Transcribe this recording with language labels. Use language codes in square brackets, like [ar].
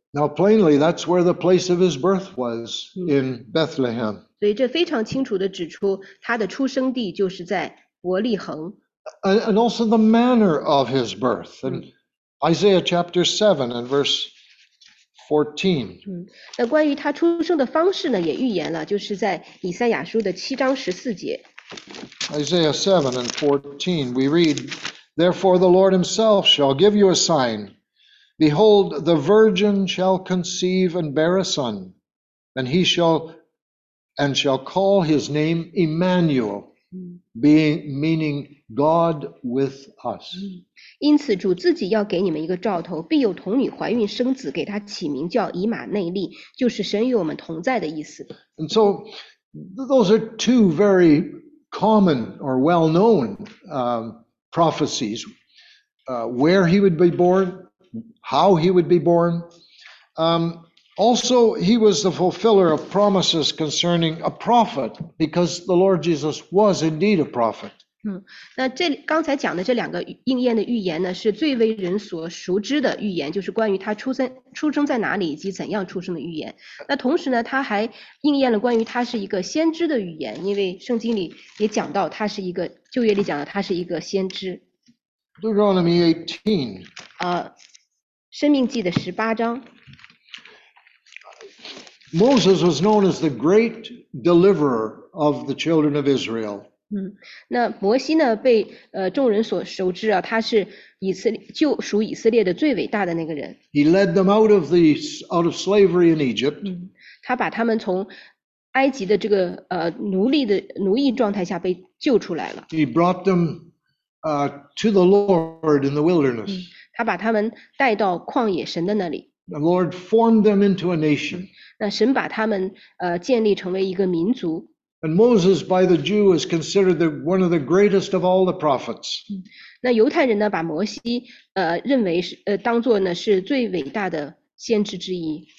[en] Now plainly, that's where the place of his birth was, in Bethlehem. [zh] 所以这非常清楚地指出，他的出生地就是在伯利恒。 [en] And also the manner of his birth, in Isaiah chapter 7 and verse 14. [zh] 那关于他出生的方式呢，也预言了，就是在以赛亚书的七章十四节。 [en] Isaiah 7 and 14, we read, Therefore the Lord himself shall give you a sign. Behold, the virgin shall conceive and bear a son, and he shall, and shall call his name Emmanuel, being, meaning God with us. [zh] 因此主自己要给你们一个兆头，必有童女怀孕生子，给他起名叫以马内利，就是神与我们同在的意思。 [en] And so, those are two very common or well-known prophecies, where he would be born,How he would be born. Also, he was the fulfiller of promises concerning a prophet, because the Lord Jesus was indeed a prophet. [zh] 那这刚才讲的这两个应验的预言呢，是最为人所熟知的预言，就是关于他出生在哪里以及怎样出生的预言。那同时呢，他还应验了关于他是一个先知的预言，因为圣经里也讲到他是一个旧约里讲的他是一个先知。 [en] Deuteronomy 18. [zh] 生命记的十八章。 [en] Moses was known as the great deliverer of the children of Israel. [zh] 那摩西呢被众人所熟知啊，他是以色列救赎以色列的最伟大的那个人。 [en] He led them out of slavery in Egypt. [zh] 他把他们从埃及的这个奴役状态下被救出来了。 [en] He brought them to the Lord in the wilderness. [zh] 他把他们带到旷野神的那里。 [en] The Lord formed them into a nation. [zh] 那神把他们建立成为一个民族。 [en] And Moses by the Jew is considered one of the greatest of all the prophets. [zh] 那犹太人呢把摩西认为是当作呢是最伟大的先知之一。